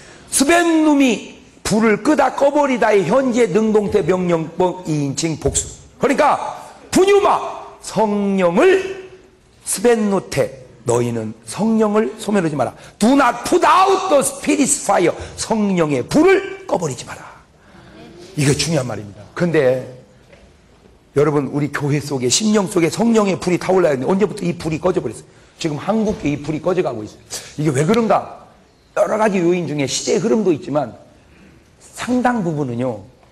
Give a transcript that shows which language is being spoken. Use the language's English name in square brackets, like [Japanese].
[Korean] 스벤 눔이 불을 끄다 꺼버리다의 현재 능동태 명령법 2인칭 복수. 그러니까 분유마 성령을 스벤 노테. 너희는 성령을 소멸하지 마라. [English] Do not put out the Spirit's fire. [Korean] 성령의 불을 꺼버리지 마라. 이게 중요한 말입니다. 근데 여러분 우리 교회 속에 심령 속에 성령의 불이 타올라야 했는데 언제부터 이 불이 꺼져버렸어요. 지금 한국에 이 불이 꺼져가고 있어요. 이게 왜 그런가? 여러 가지 요인 중에 시대 흐름도 있지만 상당 부분은요.